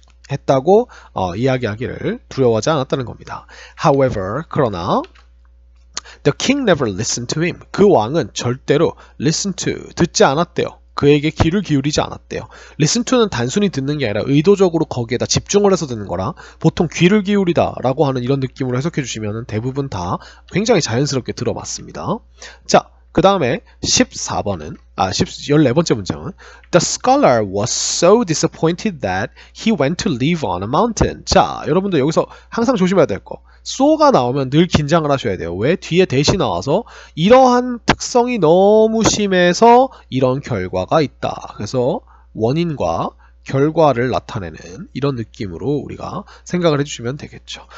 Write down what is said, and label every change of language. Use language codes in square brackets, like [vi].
[ko] 했다고 이야기하기를 두려워하지 않았다는 겁니다. [en] However, 그러나 the king never listened to him. [ko] 그 왕은 절대로 listen to, 듣지 않았대요. 그에게 귀를 기울이지 않았대요. listen to는 단순히 듣는 게 아니라 의도적으로 거기에다 집중을 해서 듣는 거라 보통 귀를 기울이다 라고 하는 이런 느낌으로 해석해 주시면 대부분 다 굉장히 자연스럽게 들어봤습니다. [en] 자, [ko] 그 다음에 14번째 문장은 [en] The scholar was so disappointed that he went to live on a mountain. [ko] 자, 여러분들 여기서 항상 조심해야 될 거. so가 나오면 늘 긴장을 하셔야 돼요. 왜? 뒤에 대시 나와서 이러한 특성이 너무 심해서 이런 결과가 있다. 그래서 원인과 결과를 나타내는 이런 느낌으로 우리가 생각을 해주시면 되겠죠.